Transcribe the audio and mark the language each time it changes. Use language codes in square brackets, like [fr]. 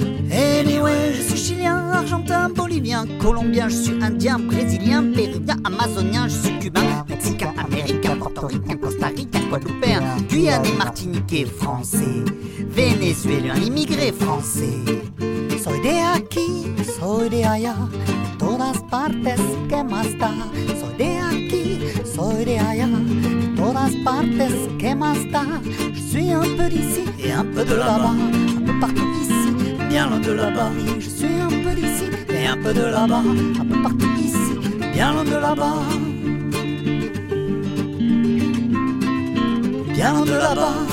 [en] Anyway, [fr] je suis chilien, argentin, bolivien, colombien, je suis indien, brésilien, péruvien, amazonien, je suis cubain, mexicain, américain, portoricain, costaricain, guadeloupéen, guyanais, martiniquais, français, vénézuélien, immigré français. [es] Soy de aquí, soy de allá, de todas partes, ¿qué más da? Soy de aquí, soy de allá, de todas partes, ¿qué más da? [fr] Je suis un peu d'ici et un peu de là-bas, un peu partout ici, bien loin de là-bas. Je suis un peu d'ici et un peu de là-bas, un peu partout ici, bien loin de là-bas. Bien loin de là-bas.